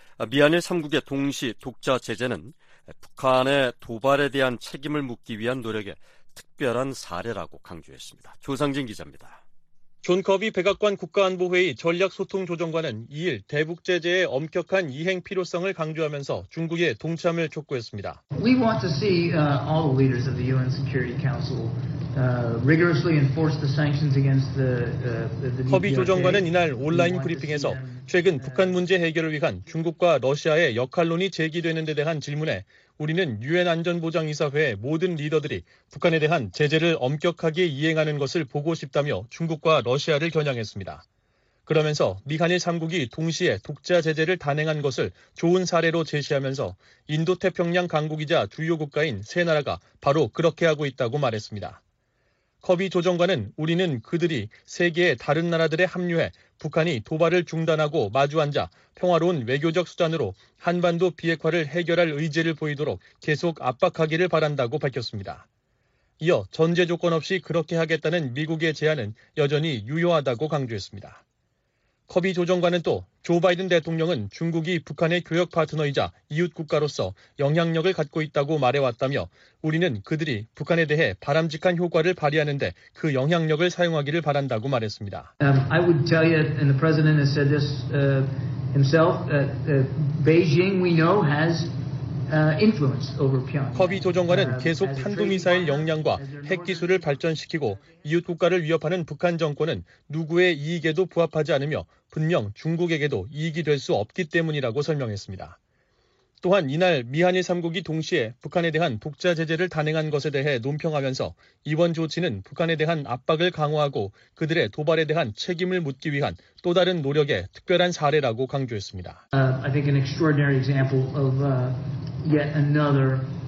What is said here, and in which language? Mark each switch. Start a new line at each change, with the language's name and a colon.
Korean: 미한일 3국의 동시 독자 제재는 북한의 도발에 대한 책임을 묻기 위한 노력의 특별한 사례라고 강조했습니다. 조상진 기자입니다. 존 커비 백악관 국가안보회의 전략소통조정관은 2일 대북 제재의 엄격한 이행 필요성을 강조하면서 중국의 동참을 촉구했습니다.
English: We want to see all the leaders of the UN Security Council rigorously enforce the sanctions against the
Korean: 커비 조정관은 이날 온라인 브리핑에서 최근 북한 문제 해결을 위한 중국과 러시아의 역할론이 제기되는 데 대한 질문에 우리는 유엔 안전보장이사회의 모든 리더들이 북한에 대한 제재를 엄격하게 이행하는 것을 보고 싶다며 중국과 러시아를 겨냥했습니다. 그러면서 미한일 3국이 동시에 독자 제재를 단행한 것을 좋은 사례로 제시하면서 인도태평양 강국이자 주요 국가인 세 나라가 바로 그렇게 하고 있다고 말했습니다. 커비 조정관은 우리는 그들이 세계의 다른 나라들에 합류해 북한이 도발을 중단하고 마주앉아 평화로운 외교적 수단으로 한반도 비핵화를 해결할 의지를 보이도록 계속 압박하기를 바란다고 밝혔습니다. 이어 전제 조건 없이 그렇게 하겠다는 미국의 제안은 여전히 유효하다고 강조했습니다. 커비 조정관은 또 조 바이든 대통령은 중국이 북한의 교역 파트너이자 이웃 국가로서 영향력을 갖고 있다고 말해왔다며 우리는 그들이 북한에 대해 바람직한 효과를 발휘하는 데 그 영향력을 사용하기를 바란다고 말했습니다.
English: I would tell you, and the president has said this himself, Beijing, we know, has influence over Pyongyang.
Korean: 커비 조정관은 계속 탄도미사일 역량과 핵기술을 발전시키고 이웃 국가를 위협하는 북한 정권은 누구의 이익에도 부합하지 않으며 분명 중국에게도 이익이 될 수 없기 때문이라고 설명했습니다. 또한 이날 미한일 3국이 동시에 북한에 대한 독자 제재를 단행한 것에 대해 논평하면서 이번 조치는 북한에 대한 압박을 강화하고 그들의 도발에 대한 책임을 묻기 위한 또 다른 노력의 특별한 사례라고 강조했습니다.
English: I think an extraordinary example of yet another